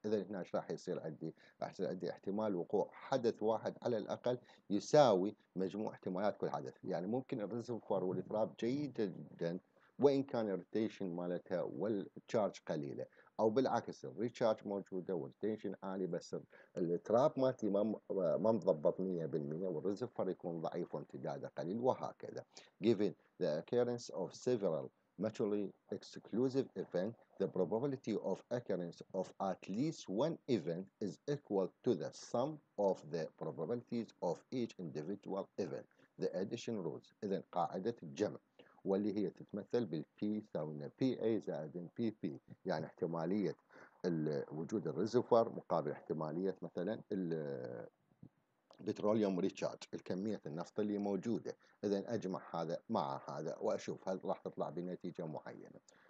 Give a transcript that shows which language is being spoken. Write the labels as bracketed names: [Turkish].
[Arabic] إذا هنا إيش راح يصير عندي؟ راح يصير عندي احتمال وقوع حدث واحد على الأقل يساوي مجموع احتمالات كل حدث، يعني ممكن الريزرفوار والتراب جيد جدا وإن كان الروتيشن مالتها والتشارج قليلة، أو بالعكس الريتشارج موجودة والتنشن عالي بس التراب مالتي ما مضبط 100% والريزرفر يكون ضعيف وامتداده قليل وهكذا. [English] Given the occurrence of several mutually exclusive events, the probability of occurrence of at least one event is equal to the sum of the probabilities of each individual event. The addition rules. [Arabic] إذا قاعدة الجمع واللي هي تتمثل بالبي ساوينا بي اي زائد بي بي، يعني احتمالية وجود الريزرفوار مقابل احتمالية مثلا البتروليوم ريتشارج الكمية النفط اللي موجودة، اذا اجمع هذا مع هذا واشوف هل راح تطلع بنتيجة معينة.